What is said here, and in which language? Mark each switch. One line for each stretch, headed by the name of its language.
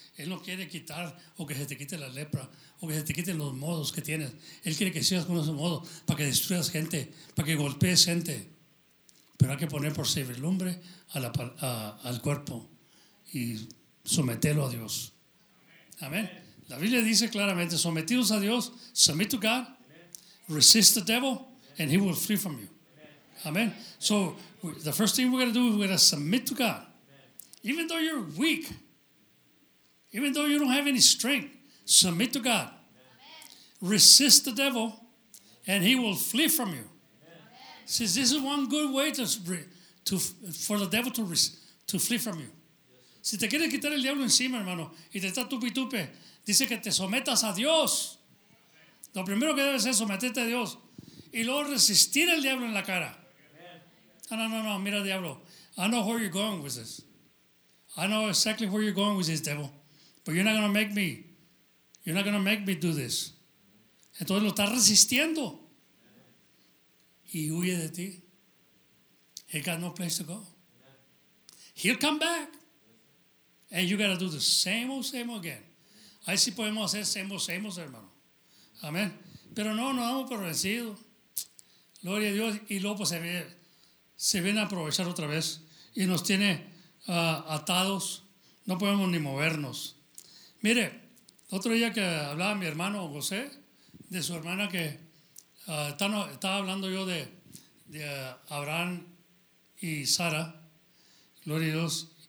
Spanish: Él no quiere quitar o que se te quite la lepra o que se te quiten los modos que tienes. Él quiere que sigas con esos modos para que destruyas gente, para que golpees gente. Pero hay que poner por servidumbre al cuerpo y someterlo a Dios. Amén. La Biblia dice claramente, sometidos a Dios,
English: submit to God, resist the devil, and he will flee from you. Amén. So, the first thing we're going to do is we're going to submit to God. Even though you're weak, even though you don't have any strength, submit to God. Resist the devil, and he will flee from you. See, this is one good way for the devil to flee from you.
Spanish: Si te quieres quitar el diablo encima, hermano, y te está tupi-tupe, dice que te sometas a Dios. Lo primero que debes es someterte a Dios y luego resistir al diablo en la cara. No, mira, diablo.
English: I know where you're going with this. I know exactly where you're going with this, devil. But you're not going to make me. You're not going to make me do this.
Spanish: Entonces lo estás resistiendo. Y huye de ti.
English: He got no place to go. He'll come back. And you got to do the same old again.
Spanish: Ahí sí podemos hacer
English: same old,
Spanish: hermano. Amén. Pero no, nos damos por vencido. Gloria a Dios. Y luego pues, se viene a aprovechar otra vez. Y nos tiene atados. No podemos ni movernos. Mire, otro día que hablaba mi hermano José, de su hermana que estaba hablando yo de Abraham y Sara. Gloria a Dios.